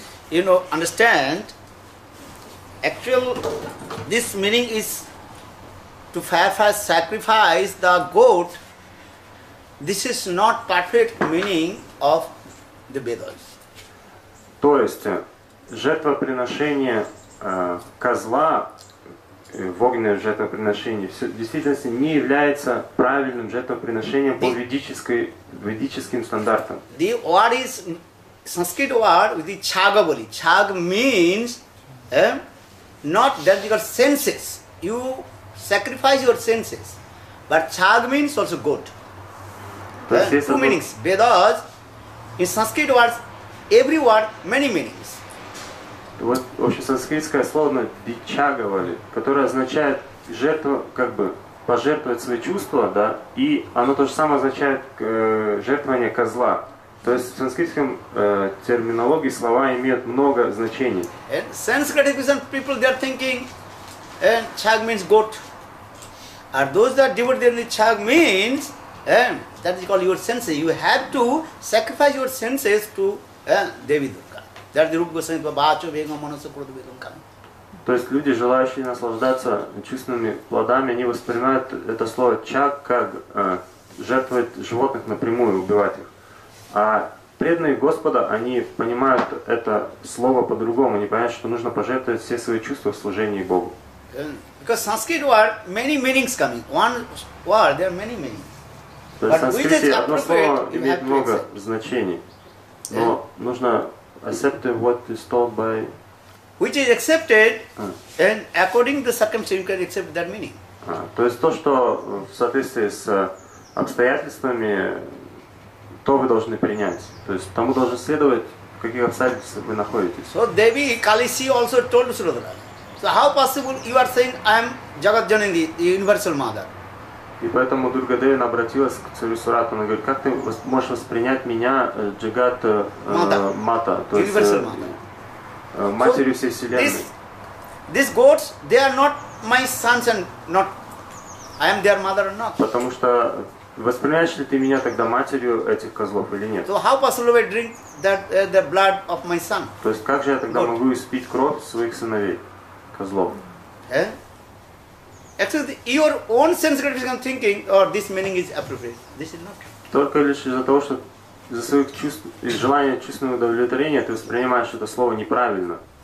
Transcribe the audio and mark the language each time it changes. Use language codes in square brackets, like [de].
[en] You know, understand, actual, this meaning is to sacrifice the goat. This is not perfect meaning of the Vedas. [ru] То есть, жертвоприношение козла, в огненное жертвоприношение, в действительности не является правильным жертвоприношением по ведическим стандартам. [en] The word is Sanskrit word with the chagavali. Chag means not that your senses. You sacrifice your senses. But chag means also goat. Two meanings. Vedas, in Sanskrit words, every word, many meanings. [ru] Вот вообще санскритское слово дичагавали, которое означает жертву, как бы пожертвовать свои чувства, да, и оно то же самое означает жертвование козла. То есть в санскритском терминологии слова имеют много значений. [en] And Sanskrit education people, they are thinking, and chag means goat. Are those that devote their chag means, that is called your senses. You have to sacrifice your senses to Devi Durga. That is Rupa Goswami Babacho Vega Manasa Kuru Devi Durga. [ru] То есть люди, желающие наслаждаться чувственными плодами, они воспринимают это слово чаг как жертвовать животных напрямую, убивать их. А преданные Господа, они понимают это слово по-другому, они понимают, что нужно пожертвовать все свои чувства в служении Богу. [en] Because Sanskrit word, many meanings coming. One word, there are many meanings. [ru] То есть в санскрите одно слово имеет много значений. Но нужно [en] accept what is told by... Which is accepted, and according to the circumstances, you can accept that meaning. [ru] То есть то, что в соответствии с обстоятельствами, то вы должны принять. То есть тому должно следовать, в каких обстоятельствах вы находитесь. [en] So Devi Kalisi also told Surodhana. So how possible you are saying I am Jagat Janindi, the universal mother? [ru] И поэтому Дурга Деви обратилась к царю Сурату. Она говорит, как ты можешь воспринять меня, Джагат Мата, то есть матерью всей вселенной. [en] These goats, they are not my sons and not, I am their mother or not. [ru] Потому что воспринимаешь ли ты меня тогда матерью этих козлов или нет? [en] So how possible I drink that the blood of my son? [ru] То есть как же я тогда могу испить кровь своих сыновей, козлов? [en] Actually, your own sense-critical thinking, or this meaning is appropriate. This is not. [ru] Только лишь из-за того, что из-за своих чувств, из желания чувственного удовлетворения, ты воспринимаешь это слово неправильно.